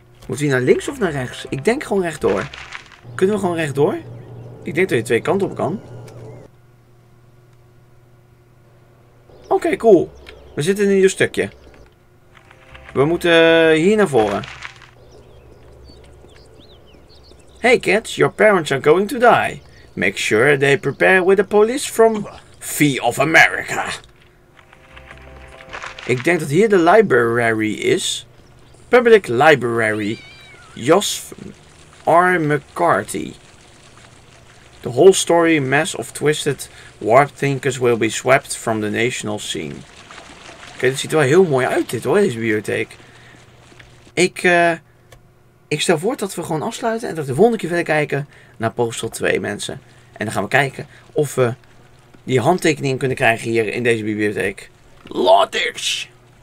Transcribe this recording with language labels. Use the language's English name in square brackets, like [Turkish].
[Dutch] Moeten we naar links of naar rechts? Ik denk gewoon rechtdoor. Kunnen we gewoon rechtdoor? Ik denk dat je twee kanten op kan. Oké, okay, cool. We zitten in je stukje. We moeten hier naar voren. [English] Hey kids, your parents are going to die. Make sure they prepare with the police from Fee of America. [Dutch] Ik denk dat hier de library is. Public Library. [English] Jos R. McCarthy. The whole story, mess of twisted warped thinkers will be swept from the national scene. [Dutch] Oké, dat ziet er wel heel mooi uit dit hoor, deze bibliotheek. Ik stel voor dat we gewoon afsluiten en dat we de volgende keer verder kijken naar Postal 2, mensen. En dan gaan we kijken of we die handtekening kunnen krijgen hier in deze bibliotheek. Lottish!